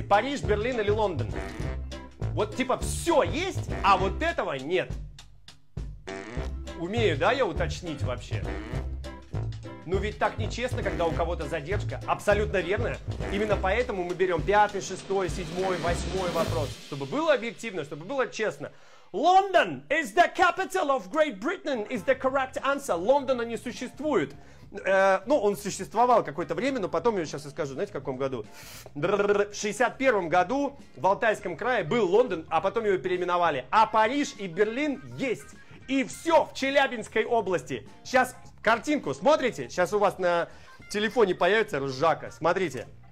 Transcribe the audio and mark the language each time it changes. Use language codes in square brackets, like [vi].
[ru] Париж, Берлин или Лондон? Вот типа все есть, а вот этого нет. Умею, да, я уточнить вообще? Ну ведь так нечестно, когда у кого-то задержка. Абсолютно верно. Именно поэтому мы берем 5, 6, 7, 8 вопрос. Чтобы было объективно, чтобы было честно. [en] London is the capital of Great Britain is the correct answer. [ru] Лондона не существует. Ну, он существовал какое-то время, но потом я сейчас и скажу, знаете, в каком году? В 61-м году в Алтайском крае был Лондон, а потом его переименовали. А Париж и Берлин есть. И все в Челябинской области. Сейчас картинку смотрите. Сейчас у вас на телефоне появится ржака. Смотрите.